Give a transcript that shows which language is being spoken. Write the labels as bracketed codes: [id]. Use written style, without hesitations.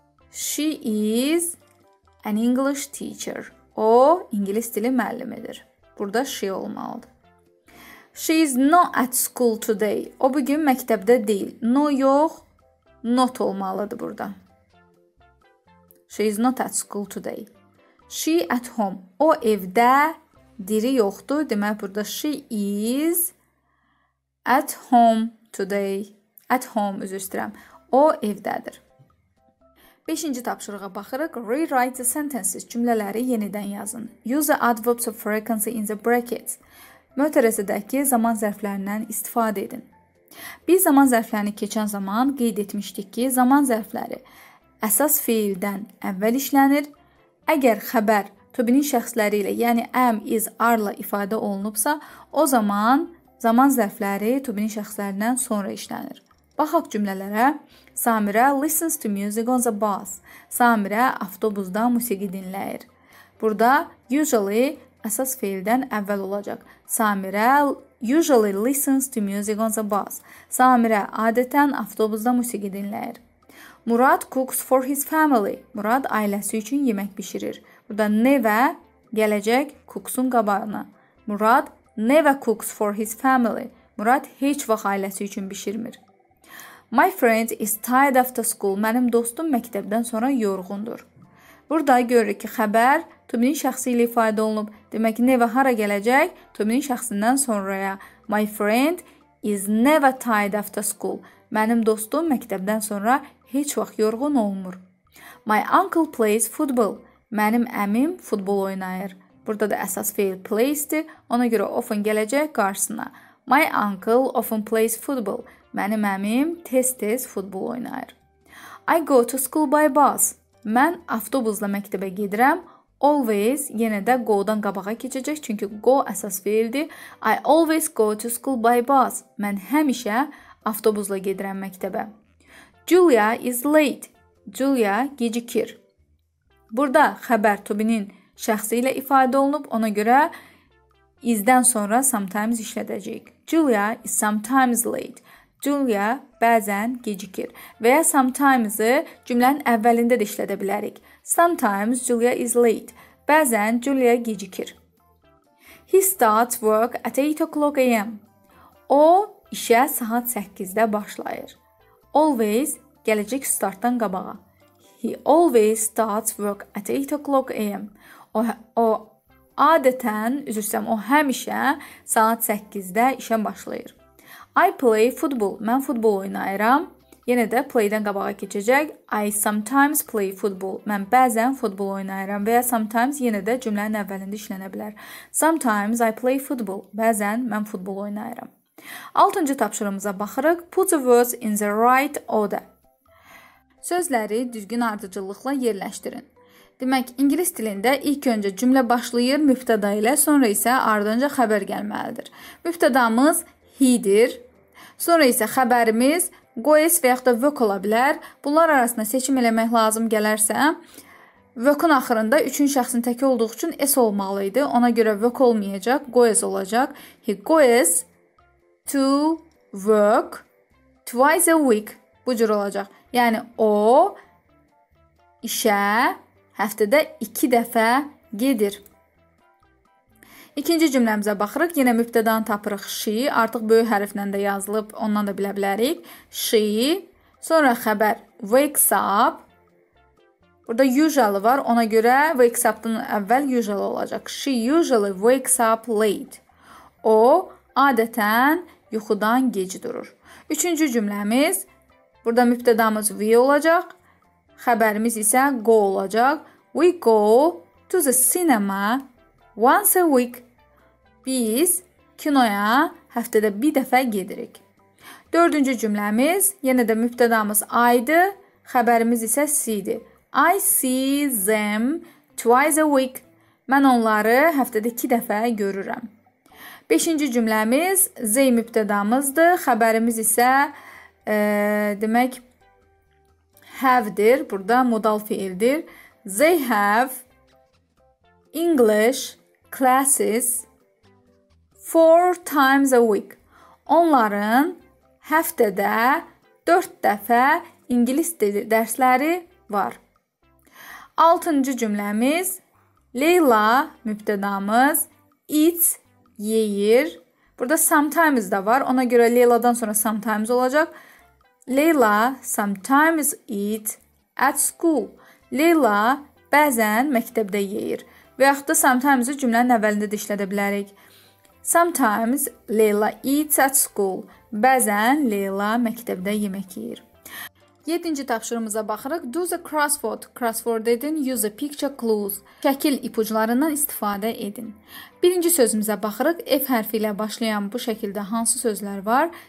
[en] She is an English teacher. [az] O, İngilis dili müəllimidir. Burada she olmalıdır. [en] She is not at school today. [az] O, bugün məktəbdə deyil. No yox, not olmalıdır burada. [en] She is not at school today. She at home. [az] O evdə diri yoxdur. Demək burada she is at home today. [en] At home, [az] üzr istəyirəm. O evdədir. Beşinci tapşırığa baxırıq. [en] Rewrite the sentences. [az] Cümlələri yenidən yazın. [en] Use the adverbs of frequency in the brackets. [az] Mötərizədəki zaman zərflərindən istifadə edin. Biz zaman zərflərini keçən zaman qeyd etmişdik ki, zaman zərfləri əsas fiildən əvvəl işlənir. Əgər xəbər to be-nin şəxsləri ilə, yəni am, is, are ilə ifadə olunubsa, o zaman zaman zərfləri to be-nin şəxslərindən sonra işlənir. Baxaq cümlələrə. [en] Samirə listens to music on the bus. [az] Samirə avtobusda musiqi dinləyir. Burada usually əsas fiildən əvvəl olacaq. [en] Samirə usually listens to music on the bus. [az] Samirə adətən avtobusda musiqi dinləyir. [en] Murad cooks for his family. [az] Murad ailəsi üçün yemək bişirir. Burada never gələcək cooks-un qabağına. [en] Murad never cooks for his family. [az] Murad heç vaxt ailəsi üçün bişirmir. [en] My friend is tired after school. [az] Mənim dostum məktəbdən sonra yorğundur. Burada görürük ki, xəbər Tobin'in şəxsi ilə ifadə olunub. Demək ki, never hara gələcək? Tobin'in şəxsindən sonraya. [en] My friend is never tired after school. [az] Mənim dostum məktəbdən sonra heç vaxt yorğun olmur. [en] My uncle plays football. [az] Mənim əmim futbol oynayır. Burada da əsas fiil plays-dir. Ona görə often gələcək qarşısına. [en] My uncle often plays football. [az] Mənim əmim tez-tez futbol oynayır. [en] I go to school by bus. [az] Mən avtobusla məktəbə gedirəm. Always yenə də go-dan qabağa keçəcək. Çünki go əsas fiildir. [en] I always go to school by bus. [az] Mən həmişə avtobusla gedirəm məktəbə. [en] Julia is late. [az] Julia gecikir. Burada xəbər tobinin şəxsi ilə ifadə olunub. Ona görə is-dən sonra sometimes işlədəcəyik. [en] Julia is sometimes late. [az] Julia bəzən gecikir. Və ya sometimes-ı cümlənin əvvəlində də işlədə bilərik. [en] Sometimes Julia is late. [az] Bəzən Julia gecikir. [en] He starts work at 8 o'clock a.m. [az] O işə saat 8-də başlayır. Always gələcək startdan qabağa. [en] He always starts work at 8 o'clock a.m. [az] O adətən, üzürsəm, o həmişə saat 8-də işə başlayır. [en] I play football. [az] Mən futbol oynayıram. Yenə də play-dən qabağa keçəcək. [en] I sometimes play football. [az] Mən bəzən futbol oynayıram. Və ya sometimes yenə də cümlənin əvvəlində işlənə bilər. [en] Sometimes I play football. [az] Bəzən mən futbol oynayıram. 6-cı tapşırımıza baxırıq. [en] Put the words in the right order. [az] Sözləri düzgün ardıcıllıqla yerləşdirin. Demək, ingilis dilində ilk öncə cümlə başlayır mübtəda ilə, sonra isə ardınca xəbər gəlməlidir. Mübtədamız he-dir. Sonra isə xəbərimiz goes və yaxud da work ola bilər. Bunlar arasında seçim eləmək lazım gələrsə, work-un axırında üçün şəxsin təki olduğu üçün s olmalı idi. Ona görə work olmayacaq, goes olacaq. [en] He goes to work twice a week. [az] Bu cür olacaq. Yəni, o işə həftədə 2 dəfə gedir. İkinci cümləmizə baxırıq. Yenə mübtədan tapırıq she. Artıq böyük hərflə də yazılıb, ondan da bilə bilərik. She. Sonra xəbər wakes up. Burada usually var. Ona görə wakes up-dan əvvəl usually olacaq. [en] She usually wakes up late. [az] O, adətən yuxudan gec durur. Üçüncü cümləmiz. Burada mübtədamız we olacaq. Xəbərimiz isə go olacaq. [en] We go to the cinema once a week. [az] Biz kinoya həftədə bir dəfə gedirik. Dördüncü cümləmiz, yenə də mübtədamız I-dır, xəbərimiz isə see-dir. [en] I see them twice a week. [az] Mən onları həftədə iki dəfə görürəm. Beşinci cümləmiz, they mübtədamızdır, xəbərimiz isə demək have-dir, burada modal fiildir. [en] They have English classes 4 times a week. [az] Onların həftədə 4 dəfə ingilis dili dərsləri var. 6-cı cümləmiz Leyla mübtədamız eats yeyir. Burada sometimes də var. Ona görə Leyladan sonra sometimes olacaq. [en] Leyla sometimes eat at school. [az] Leyla bəzən məktəbdə yeyir. Və yaxud da sometimes-ı cümlənin əvvəlində də işlədə bilərik. [en] Sometimes Leyla eats at school. [az] Bəzən Leyla məktəbdə yemək yeyir. 7-ci tapşırımıza baxırıq. [en] Do the crossword. [az] Crossword edin. [en] Use the picture clues. [az] Şəkil ipuclarından istifadə edin. 1-ci sözümüzə baxırıq. F hərfi ilə başlayan bu şəkildə hansı sözlər var?